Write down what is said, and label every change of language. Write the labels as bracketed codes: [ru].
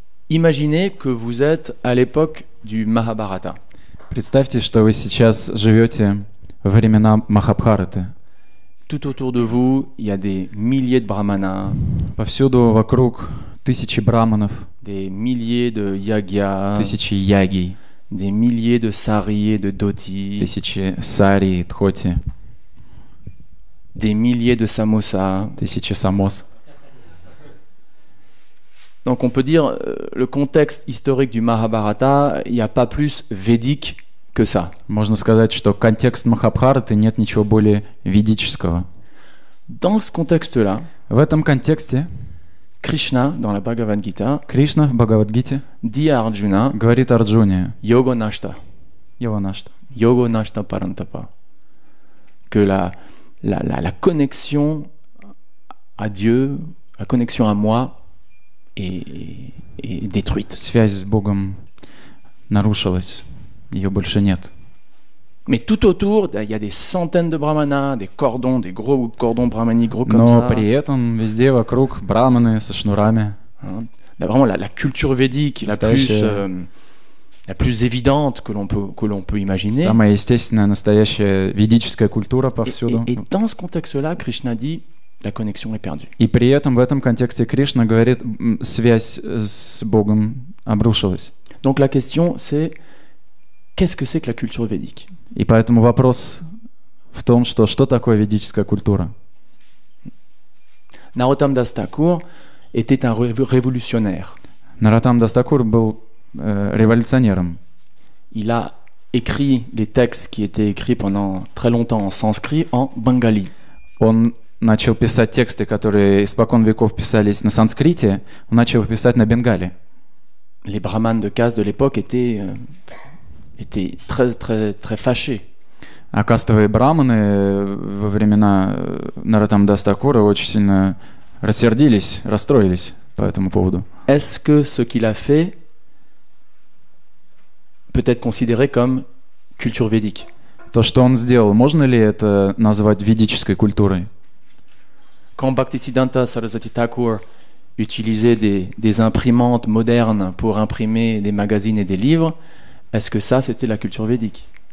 [fr] Imaginez que vous êtes à l'époque du Mahabharata. [ru] Представьте, что вы сейчас живете во времена Махабхараты. [fr] Tout autour de vous, il y a des milliers de brahmanas. [ru] Повсюду вокруг тысячи браманов. [fr] Des milliers de yagyas. [ru] Тысячи яги. [fr] Des milliers de sari et de dhoti. [ru] Тысячи сари и дхоти. [fr] Des milliers de samosa. [ru] Тысячи самос. [fr] Donc on peut dire le contexte historique du Mahabharata, il y a pas plus védique. [ru] Можно сказать, что контекст Махабхараты нет ничего более ведического. [fr] Dans ce contexte-là, [ru] в этом контексте [fr] Кришна, dans la Bhagavad Gita, [ru] Кришна в Бхагавад-гите [fr] Arjuna, [ru] говорит Арджуне [sa] Йога Нашта. Йога Нашта. Йога Нашта Парантапа. [fr] Que la connexion à Dieu, la connexion à moi [ru] и [fr] détruite. [ru] Связь с Богом нарушилась, ее больше нет. [fr] Mais tout autour, il y a des centaines de brahmanas, des cordons, des gros cordons brahmaniques gros comme [ru] Но [fr] ça. [ru] Но при этом везде вокруг браманы со шнурами. [fr] Да, vraiment la culture védique, la plus évidente que l'on peut imaginer. [ru] Самая естественная настоящая ведическая культура повсюду. [fr] Et dans ce contexte-là, Krishna dit la connexion est perdue. [ru] И при этом в этом контексте Кришна говорит, связь с Богом обрушилась. [fr] Donc la question c'est qu'est-ce que c'est que la culture védique? [ru] И поэтому вопрос в том, что такое ведическая культура? [fr] Narottam Das Thakur était un révolutionnaire. [ru] Narottam Das Thakur был революционером. [fr] Il a écrit les textes qui étaient écrits pendant très longtemps en sanskrit en bengali. [ru] Он начал писать тексты, которые испокон веков писались на санскрите, он начал писать на бенгали. [fr] Les brahmanes de caste de l'époque étaient très très très fâchés. [ru] А кастовые брахманы во времена Narottam Das Thakur очень сильно рассердились, расстроились по этому поводу. [fr] Est-ce que ce qu'il a fait peut être considéré comme culture védique? [ru] То, что он сделал, можно ли это назвать ведической культурой? [fr] Quand Bhaktisiddhanta Sarasvati Thakur utilisait des imprimantes modernes pour imprimer des magazines et des livres, est-ce que ça c'était la culture védique?